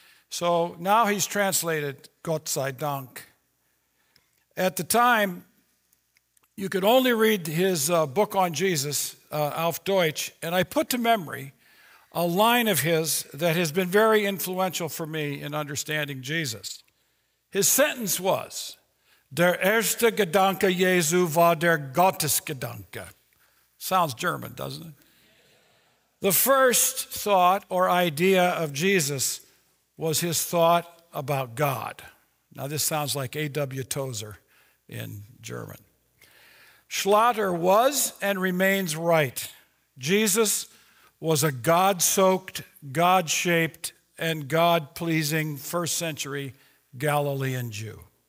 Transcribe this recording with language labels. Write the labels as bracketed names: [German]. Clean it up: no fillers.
[English] So now he's translated, [German] Gott sei Dank. [English] At the time, you could only read his book on Jesus, [German] Auf Deutsch, [English] and I put to memory a line of his that has been very influential for me in understanding Jesus. His sentence was, [German] Der erste Gedanke Jesu war der Gottesgedanke. [English] Sounds German, doesn't it? The first thought or idea of Jesus was his thought about God. Now, this sounds like A.W. Tozer in German. Schlatter was and remains right. Jesus was a God-soaked, God-shaped, and God-pleasing first-century Galilean Jew.